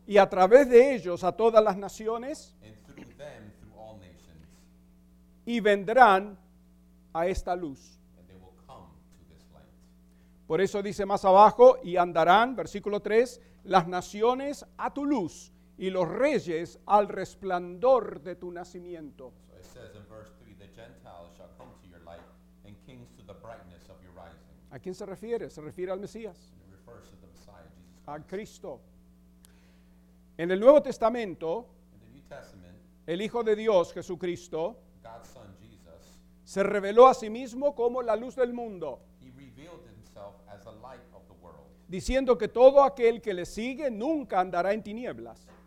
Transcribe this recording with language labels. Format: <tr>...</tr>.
<es>y a través de ellos a todas las naciones,</es> <en>and through them, through all nations,</en> <es>y vendrán a esta luz.</es> <en>And they will come to this light.</en> <es>Por eso dice más abajo, y andarán, versículo 3, las naciones a tu luz, y los reyes al resplandor de tu nacimiento.</es> <en>So it says in verse 3, the Gentiles shall come to your light, and kings to the brightness of your rising.</en> <es>¿A quién se refiere? Se refiere al Mesías.</es> <en>And it refers to the Messiah, Jesus Christ.</en> <es>A Cristo. En el Nuevo Testamento,</es> <en>in the New Testament,</en> <es>el Hijo de Dios, Jesucristo,</es> <en>God's Son, Jesus,</en> <es>se reveló a sí mismo como la luz del mundo.</es> <en>He revealed himself as the light of the world.</en> <es>Diciendo que todo aquel que le sigue nunca andará en tinieblas.</es>